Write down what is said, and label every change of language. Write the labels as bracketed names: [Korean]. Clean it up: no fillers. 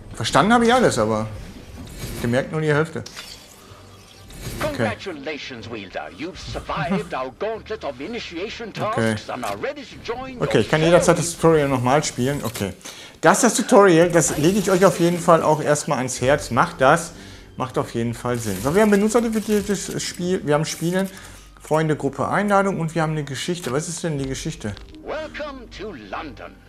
[German] Verstanden habe ich alles, aber gemerkt nur die Hälfte. [English] Okay. Congratulations, Wielder. You've survived our gauntlet of initiation tasks and are ready to join. [German] Okay, ich kann jederzeit das Tutorial nochmal spielen. Okay. Das ist das Tutorial, das lege ich euch auf jeden Fall auch erstmal ans Herz. Macht das. Macht auf jeden Fall Sinn. So, wir haben benutzerdefiniertes Spiel, wir haben Spielen, Freunde, Gruppe, Einladung und wir haben eine Geschichte. Was ist denn die Geschichte? [English] Welcome to London.